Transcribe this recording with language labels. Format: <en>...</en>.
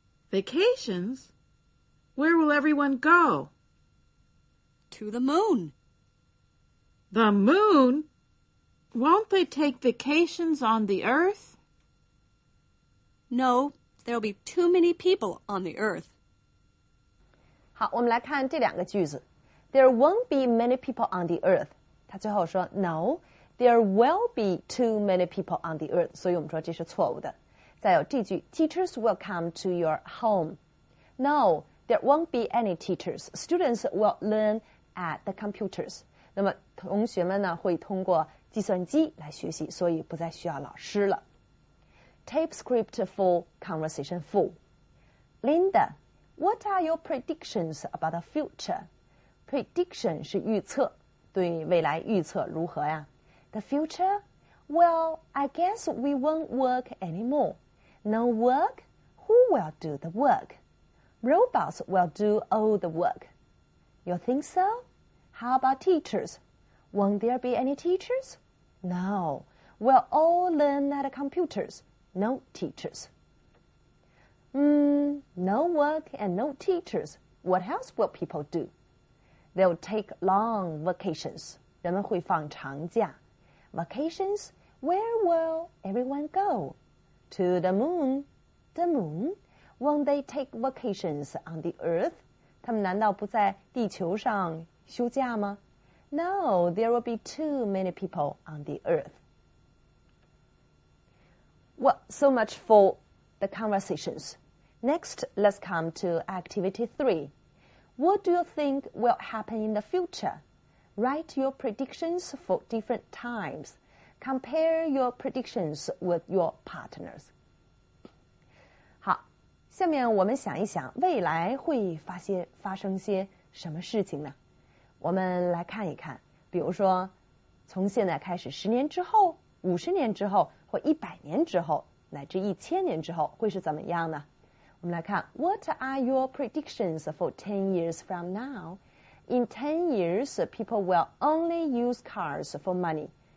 <en>Vacations? Where will everyone go? To the moon. The moon? Won't they take vacations on the Earth? No, there'll be too many people on the Earth.</en> <zh>好，我们来看这两个句子。</zh> <en>There won't be many people on the Earth.</en> <zh>他最后说 no.</zh> <en>There will be too many people on the earth.</en> <zh>所以我们说这是错误的。再有这句</zh> <en>Teachers will come to your home. No, there won't be any teachers. Students will learn at the computers.</en> <zh>那么同学们呢会通过计算机来学习所以不再需要老师了。</zh> <en>tape script for Conversation 4. Linda, what are your predictions about the future?</en> <zh>Prediction 是预测，对未来预测如何呀？</zh> <en>The future? Well, I guess we won't work anymore. No work? Who will do the work? Robots will do all the work. You think so? How about teachers? Won't there be any teachers? No. We'll all learn at computers. No teachers. No work and no teachers. What else will people do? They'll take long vacations.</en> <zh>人们会放长假。</zh> <en>Vacations? Where will everyone go? To the moon. The moon? Won't they take vacations on the earth?</en> <zh>他们难道不在地球上休假吗？</zh> <en>No, there will be too many people on the earth. Well, so much for the conversations. Next, let's come to activity 3. What do you think will happen in the future? Write your predictions for different times. Compare your predictions with your partners.</en> <zh>好，下面我们想一想未来会发生些什么事情呢？我们来看一看，比如说，从现在开始，十年之后、五十年之后、或一百年之后，乃至一千年之后，会是怎么样呢？我们来看</zh> <en>，What are your predictions for 10 years from now? In 10 years, people will only use cars for money.</en>